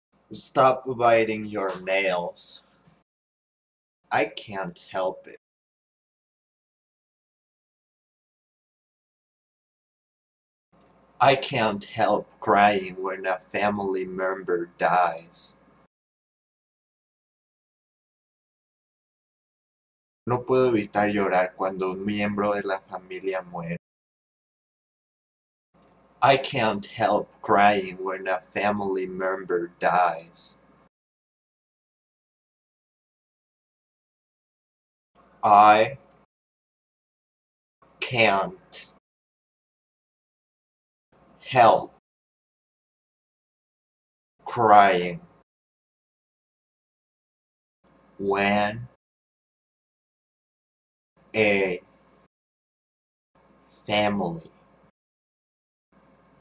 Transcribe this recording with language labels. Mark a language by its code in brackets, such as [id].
[en] Stop biting your nails. I can't help it. I can't help crying when a family member dies. [es] No puedo evitar llorar cuando un miembro de la familia muere. [en] I can't help crying when a family member dies. I can't help crying when a family member dies.